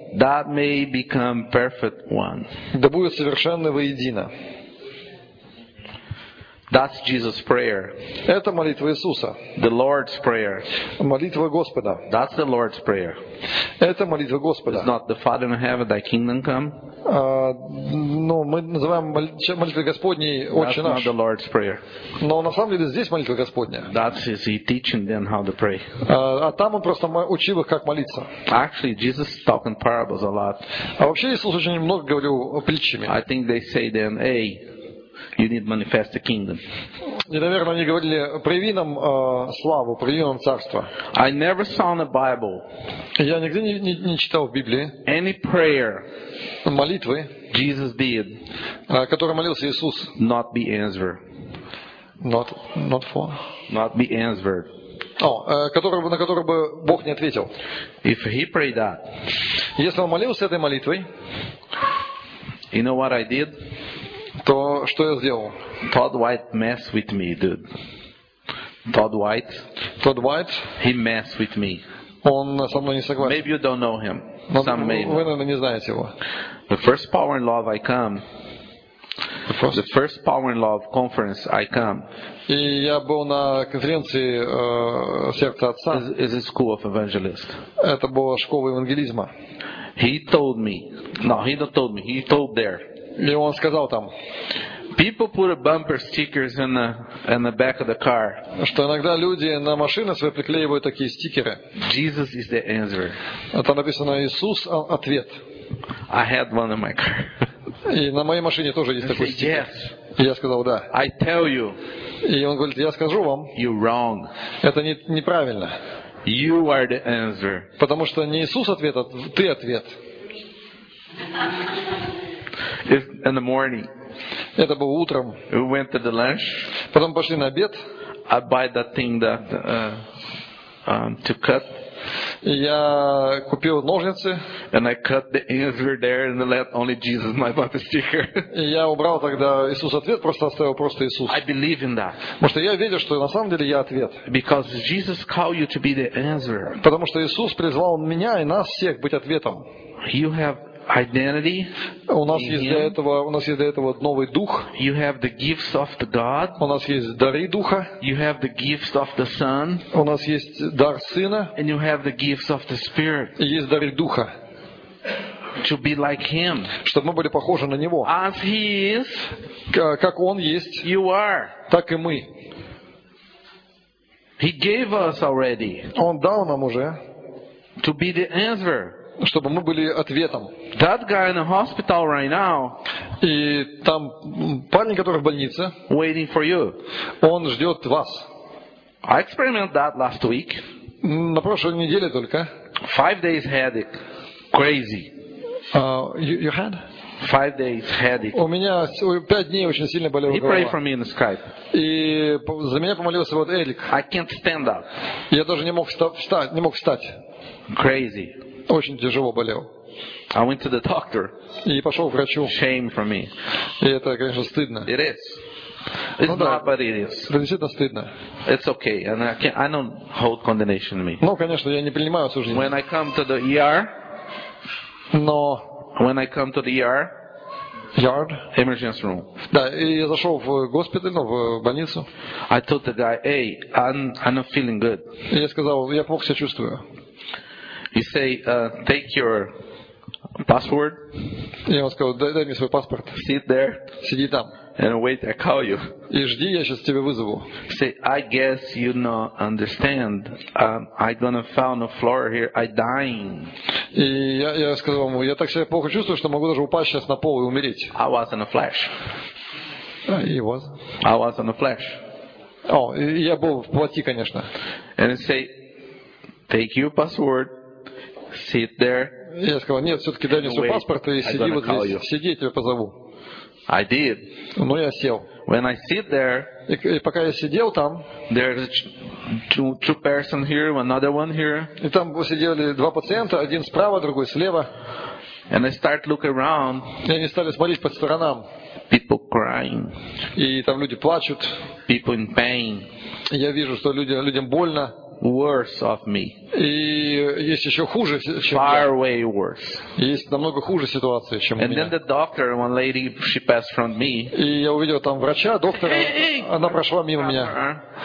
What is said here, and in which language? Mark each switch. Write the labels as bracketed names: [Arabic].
[English] that may become perfect one, [Russian] да будут совершенны воедино. [English] That's Jesus' prayer. [Russian] Это молитва Иисуса. [English] The Lord's prayer. [Russian] Молитва Господа. [English] That's the Lord's prayer. [Russian] Это молитва Господа. [English] It's not the Father in heaven, thy kingdom come. [Russian] Ну, мы называем молитвой Господней Отче наш. [English] That's not the Lord's prayer. [Russian] Но на самом деле здесь молитва Господня. [English] That's his teaching them how to pray. [Russian] А там он просто учил их, как молиться. [English] Actually, Jesus talking parables a lot. [Russian] А вообще Иисус очень много говорил притчами. [English] I think they say then, hey. You need manifest the kingdom. [Russian] И, наверное, они говорили: прояви нам славу, прояви нам царство. [English] I never saw in the Bible. [Russian] Я нигде не читал в Библии. [English] Any prayer. [Russian] Молитвы. [English] Jesus did. [Russian] Которой молился Иисус. [English] Not be answered. Not for. Not be answered. [Russian] На которую бы Бог не ответил. [English] If he prayed that. [Russian] Если он молился этой молитвой. [English] You know what I did? [Russian] То что я сделал? [English] Todd White mess with me, dude. Todd White. Todd White. He mess with me. [Russian] Он со мной не согласен. [English] Maybe you don't know him. Some may. [Russian] Вы, наверное, не знаете его. [English] The first Power and Love I come. The first Power and Love conference I come. [Russian] И я был на конференции Сердца Отца. [English] Is a school of evangelist. [Russian] Это была школа евангелизма. [English] He told me. No, he not told me. He told there. [Russian] И он сказал там. [English] People put a bumper stickers in the back of the car. [Russian] Что иногда люди на машины свои приклеивают такие стикеры. [English] Jesus is the answer. [Russian] Там написано Иисус ответ. [English] I had one in my car. [Russian] И на моей машине тоже есть такой стикер. [English] Yes. [Russian] И я сказал да. [English] I tell you. [Russian] И он говорит, я скажу вам. [English] You wrong. [Russian] Это неправильно. [English] You are the answer. [Russian] Потому что не Иисус ответ, а ты ответ. [English] In the morning. [Russian] Это было утром. [English] We went to the lunch. [Russian] Потом пошли на обед. [English] I buy that thing that to cut. [Russian] Я купил ножницы. [English] And I cut the ends were there and let only Jesus my mother's sticker. [Russian] Я убрал тогда Иисус ответ, просто оставил просто Иисус. [English] I believe in that. [Russian] Потому что я верю, что на самом деле я ответ. [English] Because Jesus called you to be the answer. [Russian] Потому что Иисус призвал меня и нас всех быть ответом. [English] You have identity. [Russian] У нас есть для этого, у нас есть для этого новый дух. [English] You have the gifts of the God. [Russian] У нас есть дары духа. [English] You have the gifts of the Son. [Russian] У нас есть дар сына. [English] And you have the gifts of the Spirit. [Russian] И есть дары духа. [English] To be like Him. [Russian] Чтобы мы были похожи на Него. [English] As He is. [Russian] Как Он есть. [English] You are. [Russian] Так и мы. [English] He gave us already. [Russian] Он дал нам уже. [English] To be the answer. [Russian] Чтобы мы были ответом. [English] That guy in the hospital right now. [Russian] И там парень, который в больнице. [English] Waiting for you. [Russian] Он ждет вас. [English] I experimented that last week. [Russian] На прошлой неделе только. [English] 5 days headache. Crazy. You had? 5 days headache. [Russian] У меня 5 дней очень сильно болела голова. [English] He prayed for me in the Skype. [Russian] И за меня помолился вот Эрик. [English] I can't stand up. [Russian] Я даже не мог встать, не мог встать. [English] Crazy. [Russian] Очень тяжело болел. [English] I went to the doctor. [Russian] И пошел к врачу. [English] Shame for me. [Russian] И это, конечно, стыдно. [English] It is. It's not, but it is. [Russian] Это действительно стыдно. [English] It's okay, and I don't hold condemnation to me. [Russian] Ну, конечно, я не принимаю осуждение. [English] When I come to the ER. [Russian] Но. [English] When I come to the ER. Yard. Emergency room. [Russian] Да, и я зашел в госпиталь, ну, в больницу. [English] I told the guy, hey, I'm not feeling good. [Russian] И я сказал, я плохо себя чувствую. [English] He say, take your password. [Russian] Я вам скажу, дай мне свой паспорт. [English] Sit there. [Russian] Сиди там. [English] And wait, I call you. [Russian] И жди, я сейчас тебя вызову. [English] Say, I guess you not understand. I gonna fall on the floor here. I dying. [Russian] И я сказал ему, я так себя плохо чувствую, что могу даже упасть сейчас на пол и умереть. [English] I was in a flash. He was. I was in a flash. [Russian] О, я был в плоти, конечно. [English] And say, take your password. Sit there. [Russian] Я сказал, нет, все-таки дай мне свой паспорт и сиди вот здесь. Сиди, я тебя позову. [English] I did. [Russian] Но я сел. [English] When I sit there, [Russian] и пока я сидел там, [English] there's two person here, another one here. [Russian] И там сидели два пациента, один справа, другой слева. [English] And I start look around. [Russian] И они стали смотреть по сторонам. [English] People crying. [Russian] И там люди плачут. [English] People in pain. [Russian] И я вижу, что людям больно. [English] Worse of me. [Russian] И есть еще хуже, чем [English] far Way worse. [Russian] Есть намного хуже ситуация, чем [English] and [Russian] у меня. [English] Then the doctor, one lady, she passed from me. [Russian] И я увидел там врача, доктора, она прошла мимо меня.